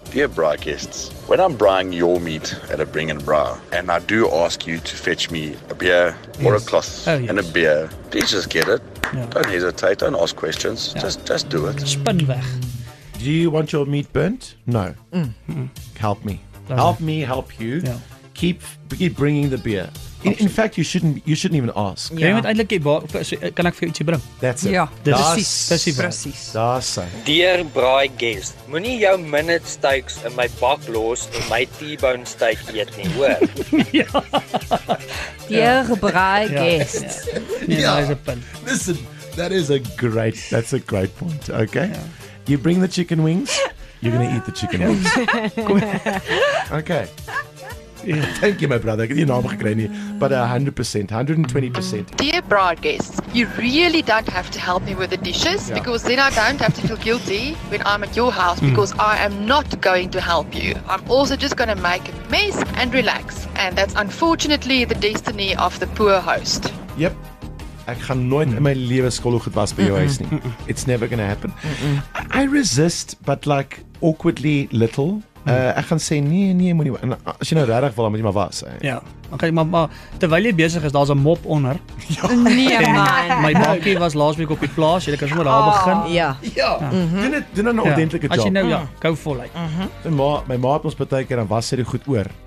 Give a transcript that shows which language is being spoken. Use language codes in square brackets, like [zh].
[en] Dear braai guests, when I'm braaiing your meat at a bring and braai, and I do ask you to fetch me a beer or a cloth and a beer, please just get it. Yeah. Don't hesitate, don't ask questions. Yeah. Just do it. [af] Spin weg. [en] Do you want your meat burnt? No. Mm-hmm. Help me. Don't help me help you. Yeah. Keep bringing the beer. In fact, you shouldn't even ask. [af] Jy moet eintlik jy bak, kan ek vir jou ietsie bring? [en] That's it. [af] Ja, precies. Daar sy. [en] Dear braai guest, [af] moenie jou minute steaks in my bak los en my T-bone steak eet nie, hoor. Ja. [en] Dear braai guest. [af] Ja, dis 'n punt. [en] Listen, that's a great point, okay? Yeah. You bring the chicken wings, you're gonna eat the chicken wings. Okay. Yeah. Thank you, my brother. You know, I'm going to but 100%, 120%. Dear bride guests, you really don't have to help me with the dishes because then I don't have to feel guilty when I'm at your house because I am not going to help you. I'm also just going to make a mess and relax. And that's unfortunately the destiny of the poor host. Yep. [af] Ek gaan nooit in my lewe skollo goed was by jou huis nie. [en] It's never going to happen. Mm-mm. I resist, but like awkwardly little. [af] Ek gaan sê, nee, moet nie, en as jy nou regtig wil, dan moet jy maar was. Ja, okay, maar terwyl jy besig is, daar is 'n mop onder. Ja. Nee, man. My bakkie was laas week op die plaas, jy kan sommer daar begin. Ja. Ja. Mm-hmm. Doen dan 'n ordentlike [en] job. [af] As jy nou, [en] go for it. Mm-hmm. [af] En my ma het ons baie keer, dan was sy die goed oor.